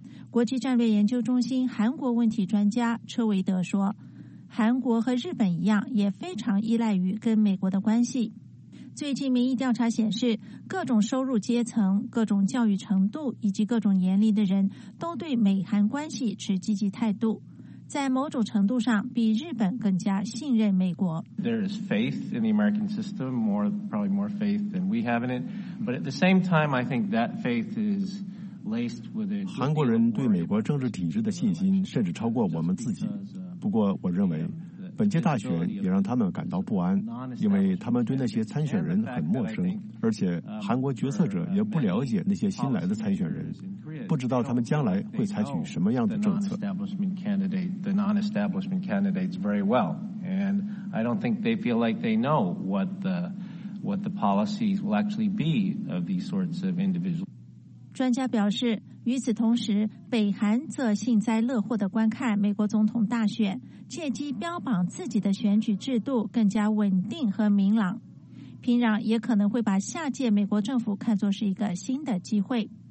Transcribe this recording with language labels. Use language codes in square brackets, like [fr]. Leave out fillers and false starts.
[zh] 国际战略研究中心韩国问题专家车维德说，韩国和日本一样也非常依赖于跟美国的关系。最近民意调查显示，各种收入阶层、各种教育程度以及各种年龄的人都对美韩关系持积极态度，在某种程度上比日本更加信任美国。 [en] There is faith in the American system, more probably more faith than we have in it. But at the same time, I think that faith is laced with a. [zh] 韩国人对美国政治体制的信心甚至超过我们自己。不过，我认为本届大选也让他们感到不安，因为他们对那些参选人很陌生，而且韩国决策者也不了解那些新来的参选人，不知道他们将来会采取什么样的政策。 [en] The non-establishment candidates very well, and I don't think they feel like they know what the policies will actually be of these sorts of individuals. [zh] 专家表示，与此同时，北韩则幸灾乐祸地观看美国总统大选，借机标榜自己的选举制度更加稳定和明朗。平壤也可能会把下届美国政府看作是一个新的机会。